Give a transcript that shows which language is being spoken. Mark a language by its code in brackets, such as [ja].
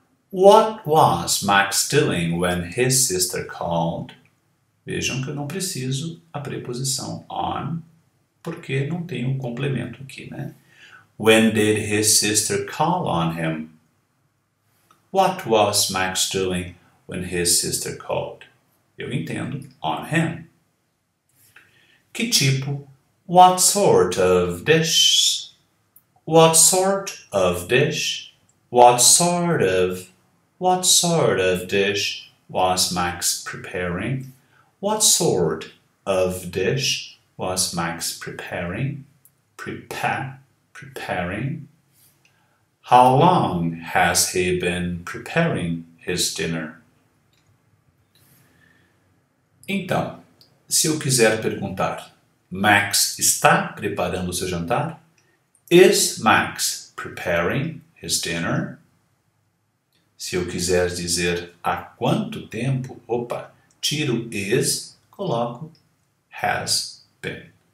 [en] What was Max doing when his sister called? [pt] Vejam que eu não preciso a preposição on, porque não tenho um complemento aqui, né? [en] When did his sister call on him? What was Max doing when his sister called? [pt] Eu entendo, [en] on him. [pt] Que tipo? [en] What sort of dish? What sort of dish? What sort of? What sort of dish was Max preparing? What sort of dish was Max preparing? Prepare. Preparing. How long has he been preparing his dinner? [pt] Então, se eu quiser perguntar, Max está preparando o seu jantar? [en] Is Max preparing his dinner? [pt] Se eu quiser dizer há quanto tempo, opa, tiro is, coloco [en] has been.